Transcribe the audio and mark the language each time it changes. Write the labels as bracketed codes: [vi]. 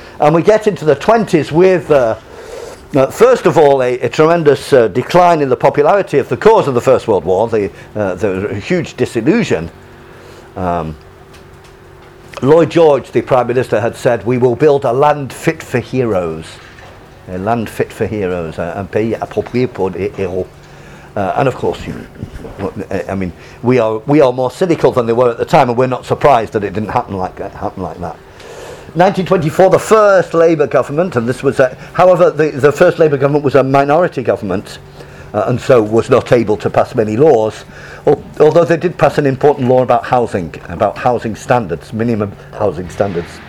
[en] And we get into the 20s with, first of all, a tremendous decline in the popularity of the cause of the First World War. There was a huge disillusion. Lloyd George, the Prime Minister, had said, we will build a land fit for heroes. A land fit for heroes. [fr] Un pays approprié pour les héros. [en] And of course, we are more cynical than they were at the time, and we're not surprised that it didn't happen like that. 1924, the first Labour government, and this was, however, the first Labour government was a minority government. and so was not able to pass many laws, although they did pass an important law about housing standards, minimum housing standards.